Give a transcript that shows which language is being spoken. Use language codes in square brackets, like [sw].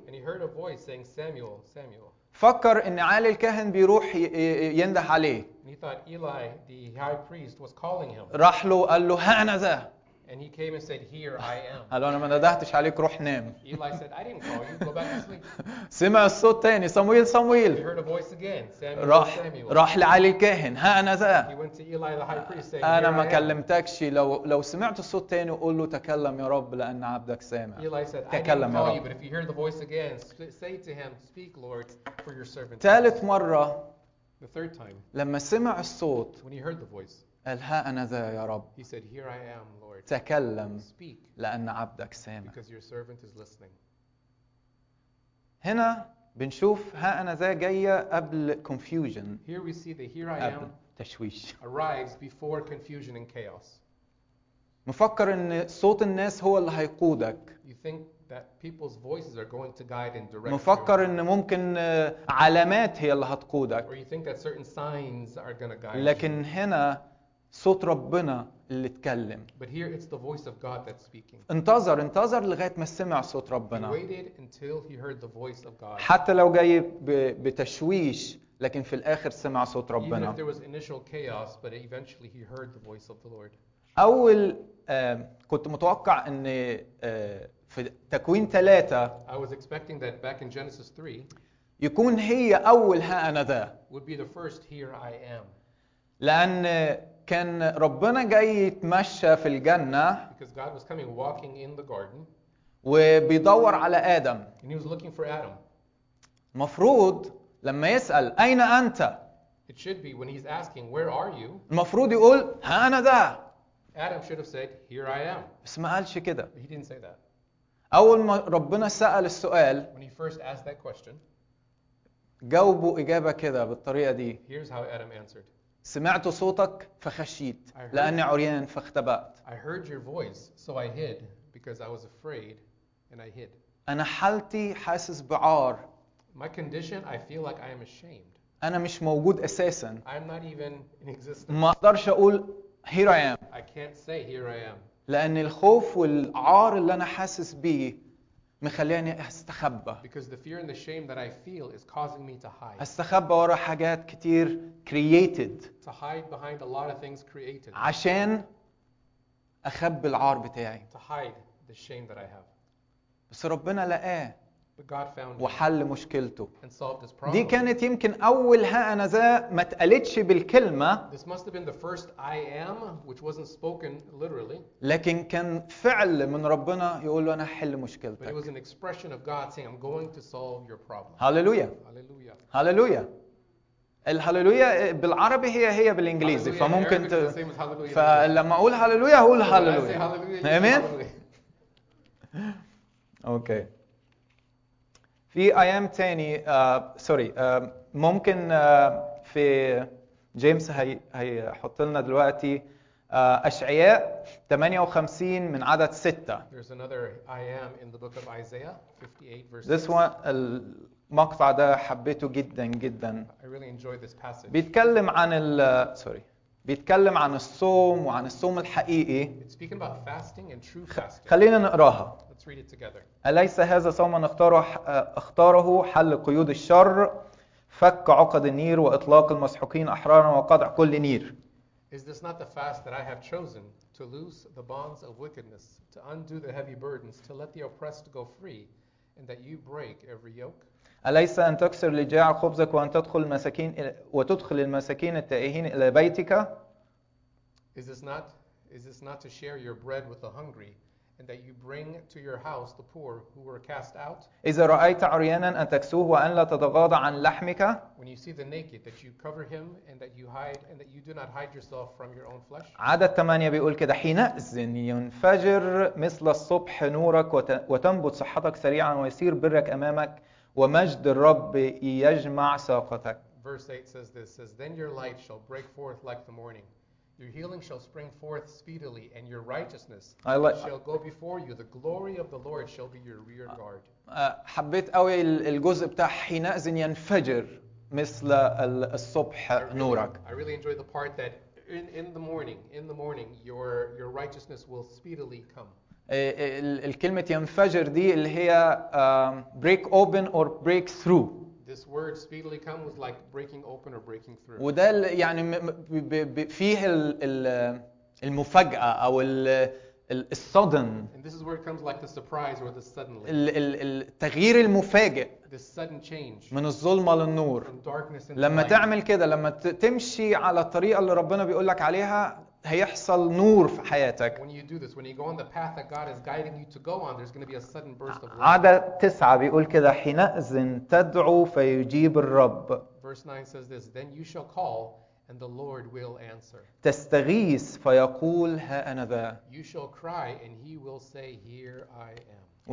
[en] And he heard a voice saying Samuel, Samuel. [ar] فكر ان عالي الكاهن بيروح ينده عليه. [en] And he thought Eli, the high priest, was calling him. [ar] راح له قال له ها انا ذا. [en] And he came and said here I am. [ar] قال له انا ما ندهتش عليك روح نام. [en] Eli said I didn't call you, go back to sleep. [ar] سمع الصوت تاني صموئيل صموئيل. [en] He heard a voice again, Samuel. [ar] راح لعالي الكاهن ها انا ذا. [en] He went to Eli, the high priest, saying, [ar] انا ما كلمتكش. لو سمعت الصوت تاني قول له تكلم يا رب لان عبدك سامع. [en] Eli said I didn't call you, but if you hear the voice again say to him speak Lord for your servant. [ar] ثالث مرة. [en] The third time. [ar] لما سمع الصوت. [en] When he heard the voice. [ar] قال ها أنا ذا يا رب. [en] He said, Here I am, Lord. [ar] تكلم. [en] Speak. [ar] لأن عبدك سامع. [en] Because your servant is listening. [ar] هنا بنشوف ها أنا ذا جاية قبل [en] confusion. Here we see the Here I am. [ar] تشويش. [en] Arrives before confusion and chaos. [ar] مفكر ان صوت الناس هو اللي هيقودك. [en] You think that people's voices are going to guide and direct. [ar] مفكر ان ممكن علامات هي اللي هتقودك. [en] Or you think that certain signs are going to guide. [ar] لكن هنا صوت ربنا اللي اتكلم. [en] But here it's the voice of God that's speaking. [ar] انتظر انتظر لغايه ما سمع صوت ربنا. [en] He waited until he heard the voice of God. [ar] حتى لو جاي بتشويش لكن في الاخر سمع صوت ربنا. [en] Even if there was initial chaos, but eventually he heard the voice of the Lord. [ar] اول كنت متوقع ان في تكوين 3 [en] I was expecting that back in Genesis 3 [ar] يكون هي اول ها انا ذا. [en] Would be the first here I am. [ar] لان كان ربنا جاي يتمشى في الجنة. [en] Because God was coming walking in the garden. [ar] وبيدور على آدم. [en] And he was looking for Adam. [ar] مفروض لما يسأل أين أنت؟ [en] It should be when he's asking where are you. [ar] المفروض يقول ها أنا ذا. [en] Adam should have said here I am. [ar] بس ما قالش كده. [en] He didn't say that. [ar] أول ما ربنا سأل السؤال. [en] When he first asked that question. [ar] جاوبوا إجابة كده بالطريقة دي. [en] Here's how Adam answered. [ar] سمعت صوتك فخشيت لأني عريان فاختبأت. [en] I heard your voice, so I hid because I was afraid and I hid. [ar] أنا حالتي حاسس بعار. [en] My condition, I feel like I am ashamed. [ar] أنا مش موجود أساسا. [en] I'm not even in existence. [ar] ما أقدرش أقول [en] here I am. I can't say here I am. [ar] لأن الخوف والعار اللي أنا حاسس بيه مخليني استخبى. [en] Because the fear and the shame that I feel is causing me to hide. [ar] استخبى ورا حاجات كتير [en] created. To hide behind a lot of things created. [ar] عشان اخبي العار بتاعي. [en] To hide the shame that I have. [ar] بس ربنا لقاه. [en] But God found [ar] وحل مشكلته. [en] And solved his problem. [ar] دي كانت يمكن اول ها انا ذا ما اتقالتش بالكلمه. [en] This must have been the first I am which wasn't spoken literally. [ar] لكن كان فعل من ربنا يقول له انا حل مشكلتك. [en] But it was an expression of God saying I'm going to solve your problem. [ar] هللويا. هللويا. هللويا. الهللويا بالعربي هي بالانجليزي [en] hallelujah. [ar] فممكن [en] hallelujah. [ar] فلما اقول هللويا اقول هللويا. امين. اوكي. في [en] I am [ar] تاني سوري ممكن في جيمس هيحط لنا دلوقتي أشعياء 58 من عدد 6. [en] There's another I am in the book of Isaiah 58 verse 6. This one [ar] المقطع ده حبيته جدا جدا. [en] I really enjoyed this passage. [ar] بيتكلم عن ال سوري بيتكلم عن الصوم وعن الصوم الحقيقي. [en] It's speaking about fasting and true fasting. [ar] خلينا نقراها. [en] Let's read it together. [ar] أليس هذا صوما اختاره حل قيود الشر فك عقد النير وإطلاق المسحوقين أحرارا وقطع كل نير. [en] Is this not the fast that I have chosen to loose the bonds of wickedness to undo the heavy burdens to let the oppressed go free and that you break every yoke? [ar] أليس أن تكسر لجاع خبزك وأن تدخل المساكين وتدخل المساكين التائهين إلى بيتك؟ [en] Is this not to share your bread with the hungry and that you bring to your house the poor who were cast out. [ar] إذا رأيت عريانا أن تكسوه وأن لا تتغاضى عن لحمك. [en] When you see the naked that you cover him and that you hide and that you do not hide yourself from your own flesh. [ar] عدد 8 بيقول كده حينئذ ينفجر مثل الصبح نورك وتنبت صحتك سريعا ويصير برك أمامك ومجد الرب يجمع ساقتك. [en] Verse 8 says this, says then your light shall break forth like the morning. Your healing shall spring forth speedily and your righteousness shall go before you. The glory of the Lord shall be your rear guard. [ar] حبيت قوي الجزء بتاع حينئذ ينفجر مثل الصبح نورك. [en] I really enjoy the part that in the morning your righteousness will speedily come. [ar] الكلمة ينفجر دي اللي هي [en] break open or break through. This word speedily come was like breaking open or breaking through. [ar] وده يعني فيه المفاجأة أو الصدن. [en] And this is where it comes like the surprise or the suddenly. [ar] التغيير المفاجئ. [en] This sudden change. [ar] من الظلمة للنور. [en] From darkness into [ar] لما [en] light. [ar] تعمل كده لما تمشي على الطريقة اللي ربنا بيقول لك عليها هيحصل نور في حياتك. [en] When you do this, when you go on the path that God is guiding you to go on, there's going to be a sudden burst of light. [ar] عدد 9 بيقول كده حينئذ تدعو فيجيب الرب. [en] Verse 9 says this, then you shall call and the Lord will answer. [ar] تستغيث فيقول ها انا ذا. [en] You shall cry and he will say here I am.